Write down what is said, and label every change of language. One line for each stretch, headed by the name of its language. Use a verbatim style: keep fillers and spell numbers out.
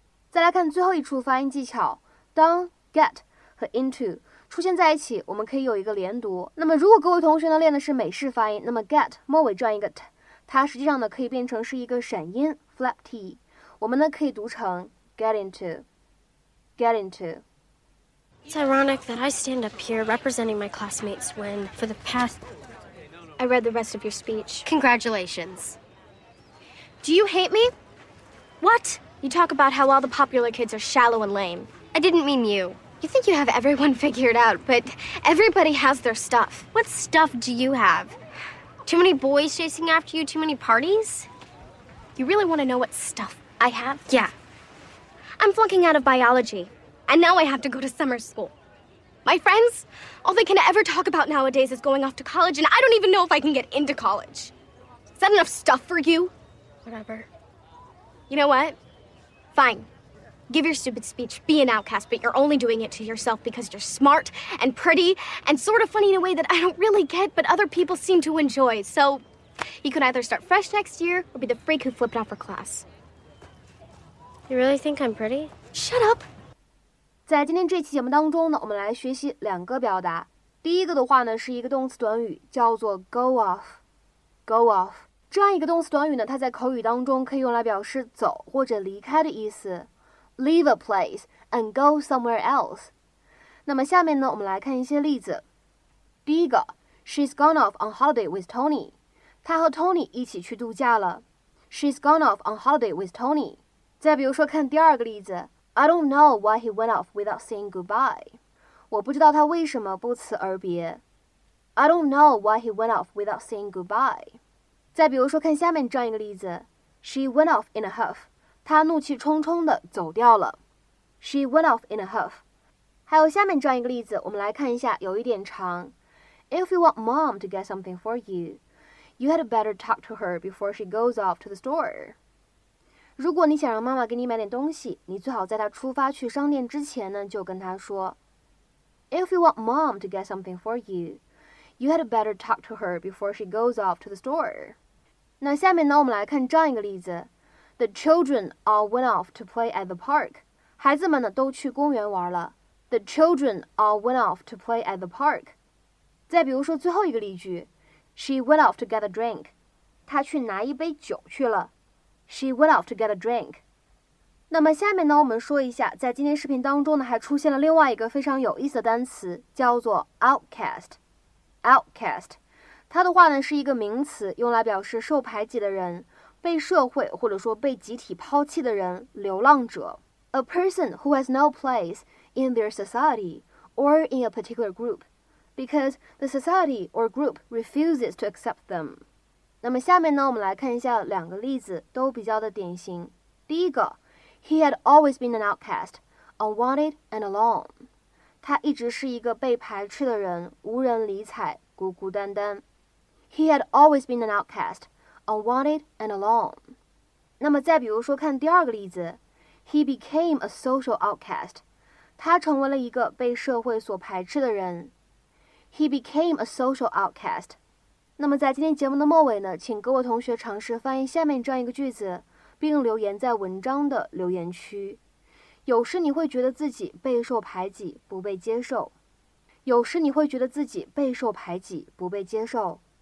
Chinese: 再来看最后一处发音技巧，当 get 和 into 出现在一起，我们可以有一个连读。那么如果各位同学呢练的是美式发音，那么 get 末尾这样一个 t， 它实际上呢可以变成是一个闪音 flap t， 我们呢可以读成 get into, get into。
English: It's ironic that I stand up here representing my classmates when for the past. I read the rest of your speech. Congratulations. Do you hate me? What? You talk about how all the popular kids are shallow and lame. I didn't mean you. You think you have everyone figured out, but everybody has their stuff. What stuff do you have? Too many boys chasing after you, too many parties? You really want to know what stuff I have? Yeah. I'm flunking out of biology, and now I have to go to summer school. My friends, all they can ever talk about nowadays is going off to college, and I don't even know if I can get into college. Is that enough stuff for you? Whatever. You know what? Fine. Give your stupid speech, be an outcast, but you're only doing it to yourself because you're smart and pretty and sort of funny in a way that I don't really get, but other people seem to enjoy. So you could either start fresh next year or be the freak who flipped out for class. You really think I'm pretty? Shut up.
Chinese: 在今天这期节目当中呢，我们来学习两个表达。第一个的话呢，是一个动词短语，叫做 go off。go off 这样一个动词短语呢，它在口语当中可以用来表示走或者离开的意思。
English: Leave a place and go somewhere else。
Chinese: 那么下面呢，我们来看一些例子。
English: 第一个 ，She's gone off on holiday with Tony。
Chinese: 她和 Tony 一起去度假了。
English: She's gone off on holiday with Tony。
Chinese: 再比如说，看第二个例子。
English: I don't know why he went off without saying goodbye.
Chinese: 我不知道他为什么不辞而别。
English: I don't know why he went off without saying goodbye.
Chinese: 再比如说，看下面这样一个例子 ：
English: She went off in a huff.
Chinese: 她怒气冲冲地走掉了。
English: She went off in a huff.
Chinese: 还有下面这样一个例子，我们来看一下，有一点长。
English: If you want mom to get something for you, you had better talk to her before she goes off to the store.
Chinese: 如果你想让妈妈给你买点东西，你最好在她出发去商店之前呢，就跟她说
English: If you want mom to get something for you, you had better talk to her before she goes off to the store.
Chinese: 那下面呢，我们来看这样一个例子
English: The children all went off to play at the park.
Chinese: 孩子们呢，都去公园玩了。
English: The children all went off to play at the park.
Chinese: 再比如说最后一个例句
English: She went off to get a drink.
Chinese: 她去拿一杯酒去了。
English: She went off to get a drink.
Chinese: 那么下面呢，我们说一下，在今天视频当中呢，还出现了另外一个非常有意思的单词，叫做 outcast。 outcast， 它的话呢是一个名词，用来表示受排挤的人，被社会或者说被集体抛弃的人，流浪者。
English: A person who has no place in their society or in a particular group, because the society or group refuses to accept them.
Chinese: 那么下面呢，我们来看一下两个例子，都比较的典型。
English: 第一个 ，He had always been an outcast, unwanted and alone.
Chinese: 他一直是一个被排斥的人，无人理睬，孤孤单单。
English: He had always been an outcast, unwanted and alone.
Chinese: 那么再比如说，看第二个例子 ，
English: He became a social outcast.
Chinese: 他成为了一个被社会所排斥的人。
English: He became a social outcast.
Chinese: 那么在今天节目的末尾呢，请各位同学尝试翻译下面这样一个句子，并留言在文章的留言区。有时你会觉得自己备受排挤，不被接受。有时你会觉得自己备受排挤，不被接受。